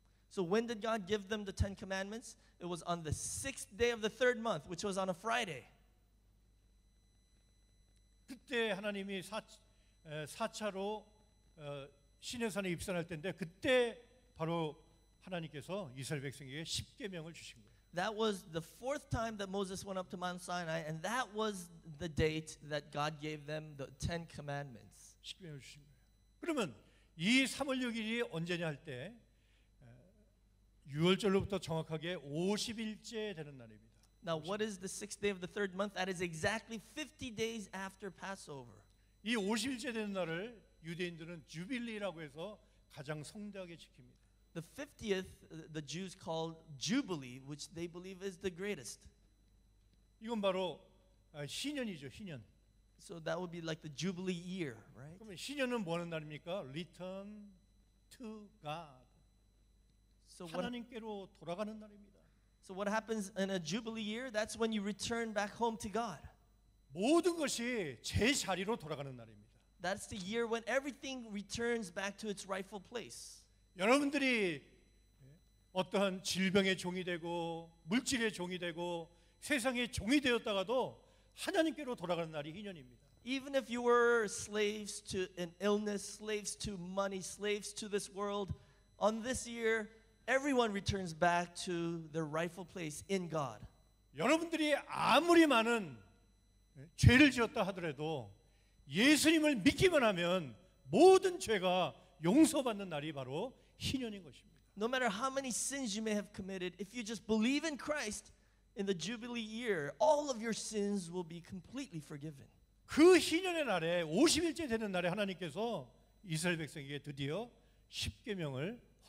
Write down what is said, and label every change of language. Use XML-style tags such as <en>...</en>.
<en>So when did God give them the Ten Commandments? It was on the sixth day of the third month, which was on a Friday.</en> <ko>그때 하나님이 4차로 시내산에 입성할 때인데 그때 바로 하나님께서 이스라엘 백성에게 십계명을 주신 거예요.</ko> <en>That was the fourth time that Moses went up to Mount Sinai, and that was the date that God gave them the Ten Commandments.</en> <ko>십계명을 주신 거예요. 그러면 이 3월 6일이 언제냐 할 때 유월절로부터 정확하게 50일째 되는 날입니다.</ko> <en>Now, what is the sixth day of the third month? That is exactly 50 days after Passover.</en> <ko>이 50일째 되는 날을 유대인들은 주빌리라고 해서 가장 성대하게 지킵니다.</ko> <en>The 50th, the Jews called Jubilee, which they believe is the greatest.</en> <ko>이건 바로 신년이죠, 신년.</ko> <en>So that would be like the Jubilee year, right?</en> <ko>그러면 신년은 뭐 하는 날입니까?</ko> <en>Return to God. So what,</en> <ko>하나님께로 돌아가는 날입니다.</ko> <en>So what happens in a jubilee year? That's when you return back home to God.</en> <ko>모든 것이 제자리로 돌아가는 날입니다.</ko> <en>That's the year when everything returns back to its rightful place.</en> <ko>여러분들이 어떠한 질병의 종이 되고 물질의 종이 되고 세상의 종이 되었다가도 하나님께로 돌아가는 날이 희년입니다.</ko> <en>Even if you were slaves to an illness, slaves to money, slaves to this world, on this year everyone returns back to their rightful place in God.</en> <ko>여러분들이 아무리 많은 죄를 지었다 하더라도 예수님을 믿기만 하면 모든 죄가 용서받는 날이 바로 희년인 것입니다.</ko> <en>No matter how many sins you may have committed, if you just believe in Christ in the Jubilee year, all of your sins will be completely forgiven.</en> <ko>그 희년의 날에 50일째 되는 날에 하나님께서 이스라엘 백성에게 드디어 십계명을</ko>